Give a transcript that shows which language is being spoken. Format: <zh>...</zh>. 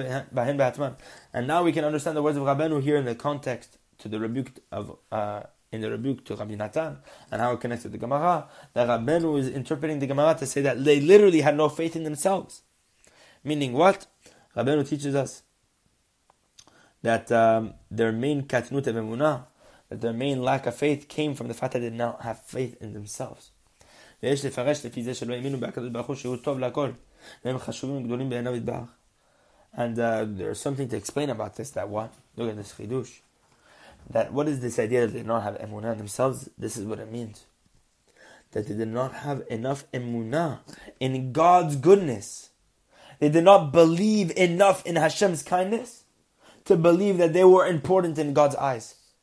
<en>And now we can understand the words of Rabbeinu here in the context to the rebuke of in the rebuke to Rabbi Natan, and how it connects to the Gemara, that Rabbeinu is interpreting the Gemara to say that they literally had no faith in themselves. Meaning what? Rabbeinu teaches us that their main katnut of emunah, that their main lack of faith came from the fact that they did not have faith in themselves.</en> <he>ויש לפרש לפי זה שלא האמינו בהקדוש ברוך הוא שהוא טוב לכל, והם חשובים וגדולים בעיניו יתברך.</he> <en>And there's something to explain about this, that what? Look at this chidush. That what is this idea that they did not have emunah in themselves? This is what it means. That they did not have enough emunah in God's goodness. They did not believe enough in Hashem's kindness to believe that they were important in God's eyes.</en>